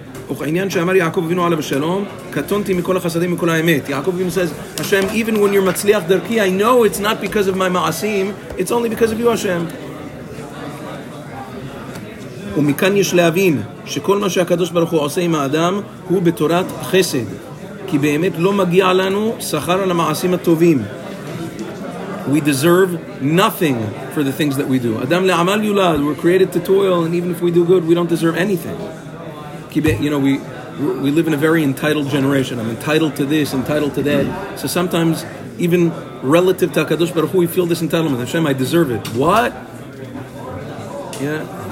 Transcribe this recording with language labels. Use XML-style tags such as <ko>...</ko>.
<he>וכעניין שאמר יעקב אבינו עליו השלום, קטונתי מכל החסדים מכל האמת.</he> <en>יעקב אבינו says, השם, even when you're</en> <he>מצליח דרכי,</he> <en>I know it's not because of my מעשים, it's only because of you, השם.</en> <he>ומכאן יש להבין שכל מה שהקדוש ברוך הוא עושה עם האדם הוא בתורת חסד, כי באמת לא מגיע לנו שכר על המעשים הטובים.</he> <en>We deserve nothing for the things that we do.</en> <he>אדם לעמל יולד,</he> <en>we're created to toil, and even if we do good, we don't deserve anything. You know, we live in a very entitled generation. I'm entitled to this, entitled to that. So sometimes, even relative to HaKadosh Baruch Hu, we feel this entitlement. Hashem, I deserve it. What? Yeah.</en>